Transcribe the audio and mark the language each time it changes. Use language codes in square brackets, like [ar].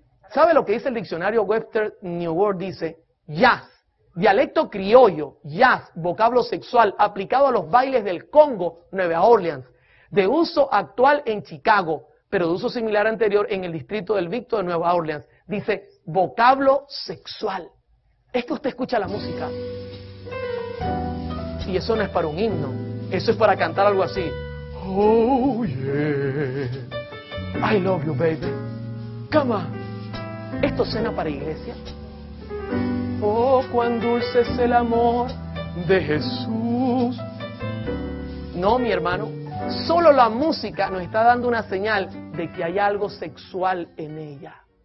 [es] ¿Sabe lo que dice el diccionario Webster New World? Dice, jazz, dialecto criollo, jazz, vocablo sexual, aplicado a los bailes del Congo, Nueva Orleans, de uso actual en Chicago, pero de uso similar anterior en el distrito del Victo de Nueva Orleans. Dice, vocablo sexual. Es que usted escucha la música. Y eso no es para un himno, eso es para cantar algo así. [en] Oh yeah, I love you baby, come on. [es] ¿Esto suena para iglesia? Oh, cuán dulce es el amor de Jesús. No, mi hermano, solo la música nos está dando una señal de que hay algo sexual en ella.